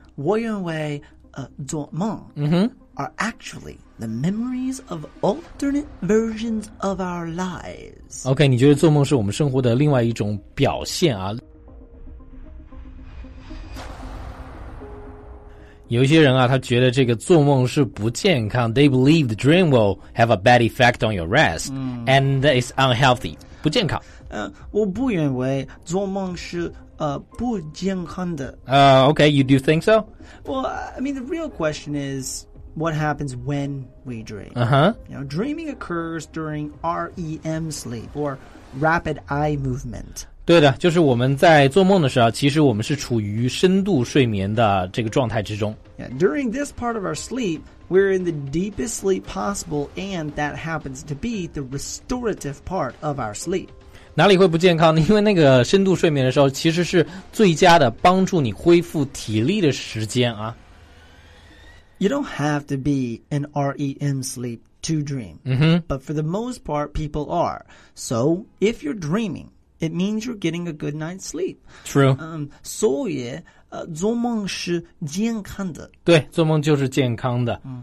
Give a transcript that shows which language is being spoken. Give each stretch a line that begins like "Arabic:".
Chinese: 我认为做梦
English: are actually the memories of alternate versions of our lives.
Chinese: OK, 你觉得做梦是我们生活的另外一种表现啊。有一些人啊，他觉得这个做梦是不健康。
English: They believe the dream will have a bad effect on your rest, and it's unhealthy.
Chinese: 不健康。我不认为做梦是不健康的。
English: Okay, you do think so? Well, I mean, the real question is, what happens when we dream? You know, dreaming occurs during REM sleep, or rapid eye movement.
Chinese: 对的，就是我们在做梦的时候，其实我们是处于深度睡眠的这个状态之中。
English: Yeah, during this part of our sleep, we're in the deepest sleep possible, and that happens to be the restorative part of our sleep.
Chinese: 哪里会不健康呢？因为那个深度睡眠的时候，其实是最佳的帮助你恢复体力的时间啊。
English: You don't have to be in REM sleep to dream,but for the most part, people are. So, if you're dreaming,It means you're getting a good night's sleep. True.
Chinese: 所以做梦是健康的。对，做梦就是健康的。